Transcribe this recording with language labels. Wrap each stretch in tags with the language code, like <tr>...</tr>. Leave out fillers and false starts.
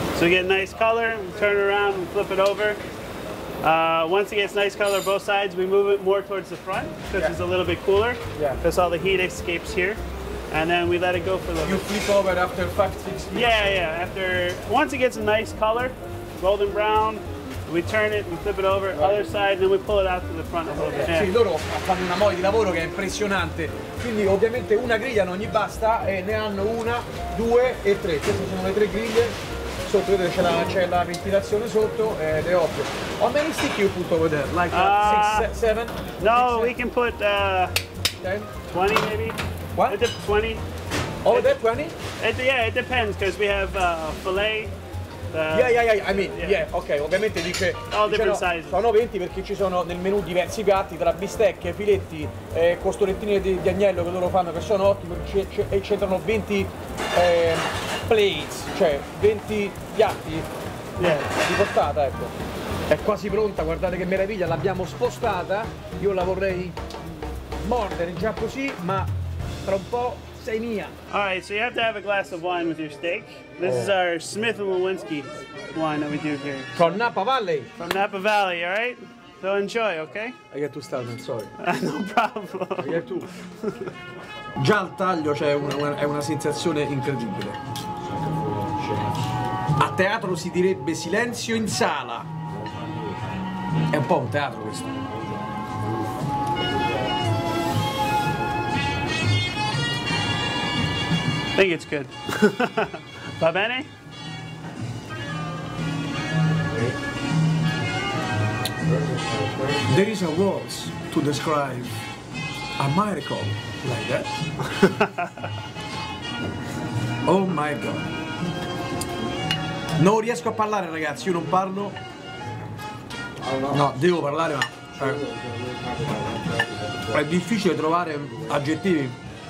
<en>So you get nice color, turn it around and flip it over. Once it gets nice color both sides, we move it more towards the front because yeah, it's a little bit cooler, because yeah, all the heat escapes here. And then we let it go for the... You flip over after 5-6 minutes? Yeah, after, once it gets a nice color, golden brown, we turn it and flip it over, right, other side, and then we pull it out to the front a little bit.</en> <it>Yeah. Sì, loro fanno una moglie di lavoro che è impressionante. Quindi ovviamente una griglia non gli basta, e ne hanno una, due e tre. Queste sono le tre griglie. Sotto vedete c'è la ventilazione sotto ed è ovvio.</it> <en>How many sticks you put over there? Like six, seven? No, six, we can put 20 maybe. What? 20. Over there 20? Yeah, it depends, because we have filet. Yeah, I mean, yeah, okay,</en> <it>ovviamente dice</it> <en>all different sizes.</en> <it>Sono 20 perché ci sono nel menù diversi piatti tra bistecche, filetti, costolettini di agnello che loro fanno, che sono ottimi, e c'entrano 20 plates, cioè 20 piatti,</it> <en>yeah,</en> <it>di portata, ecco. È quasi pronta, guardate che meraviglia, l'abbiamo spostata, io la vorrei mordere già così, ma tra un po'...</it> <en>All right, so you have to have a glass of wine with your steak. This is our Smith & Lewinsky wine that we do here. From Napa Valley. From Napa Valley, all right? So enjoy, okay? I get 2,000, sorry. No problem. I get 2.</en> <it>Già al taglio c'è una sensazione incredibile. A teatro si direbbe silenzio in sala. È un po' un teatro questo.</it> <en>I think it's good.</en> <it>Va bene?</it> <en>There is a word to describe a miracle like that. Oh my God.</en> <it>Non riesco a parlare, ragazzi, io non parlo. No, devo parlare, ma è difficile trovare aggettivi.</it>